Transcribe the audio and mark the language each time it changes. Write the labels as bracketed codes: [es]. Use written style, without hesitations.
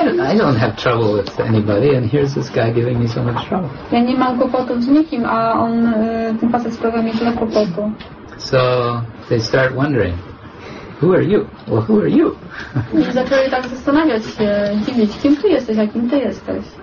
[en] I don't have trouble with anybody, and here's this guy giving me so much trouble. [pl] Ja nie mam kłopotów z nikim, a on tym facet sprawia mi tyle kłopotu. [en] So they start wondering, who are you? Well, who are you? [pl] I zaczęli tak zastanawiać się, dziwić, kim ty jesteś, a kim ty jesteś.